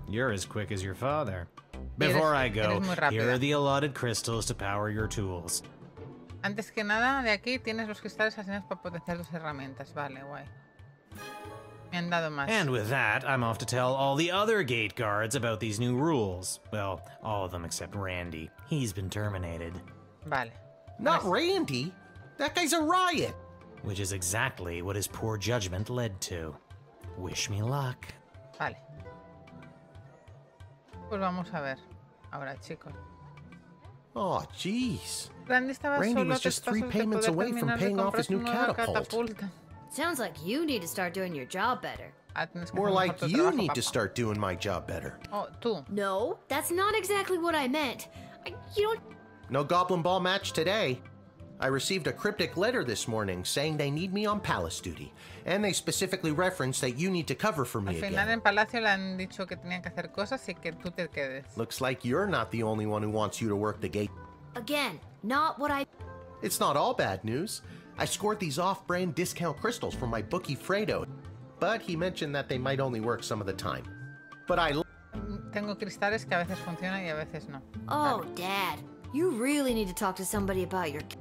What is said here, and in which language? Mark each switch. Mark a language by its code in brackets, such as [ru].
[en] You're as quick as your father. Before I go, here are the allotted crystals to power your tools. [es] Antes que nada, de aquí tienes los cristales asignados para potenciar tus herramientas. Vale, guay. Me han dado más. [en] And with that, I'm off to tell all the other gate guards about these new rules. Well, all of them except Randy. He's been terminated. [es] Vale. [en] Not Randy. That guy's a riot. Which is exactly what his poor judgment led to. Wish me luck. [es] Vale. Pues vamos a ver. Ahora, chicos. [en] Oh, jeez. Randy, Randy was just three payments away from paying off his new catapult. Sounds like you need to start doing your job better. More like you need to start doing my job better. [es] Oh, tú. [en] No, that's not exactly what I meant. No Goblin Ball match today. I received a cryptic letter this morning saying they need me on palace duty, and they specifically referenced that you need to cover for me again. [es] Al final en palacio le han dicho que tenían que hacer cosas y que tú te quedes. [en] Looks like you're not the only one who wants you to work the gate. Again, not what I... It's not all bad news. I scored these off-brand discount crystals from my bookie Fredo, but he mentioned that they might only work some of the time. But I... [es] Tengo cristales que a veces funcionan y a veces no. Oh, vale. [en] Dad, you really need to talk to somebody about your...